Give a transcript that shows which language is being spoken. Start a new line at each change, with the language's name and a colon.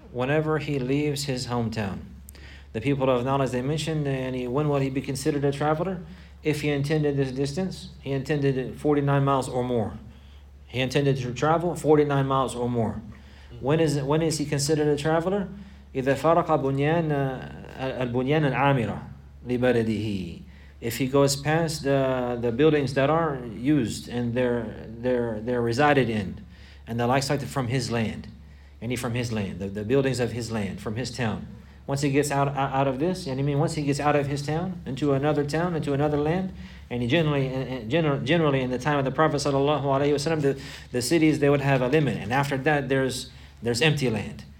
English: Whenever he leaves his hometown, the people of knowledge, they mentioned, when will he be considered a traveler? If he intended this distance, he intended 49 miles or more. He intended to travel 49 miles or more. When is he considered a traveler?
Arabic: إذا فارق بنيان البنيان العامرة لبلده.
English: If he goes past the buildings that are used and they're resided in, and the likes like from his land, the buildings of his land, from his town. Once he gets out of this, once he gets out of his town, into another land, and he generally in the time of the Prophet sallallahu alaihi wasallam, the cities, they would have a limit, and after that there's empty land.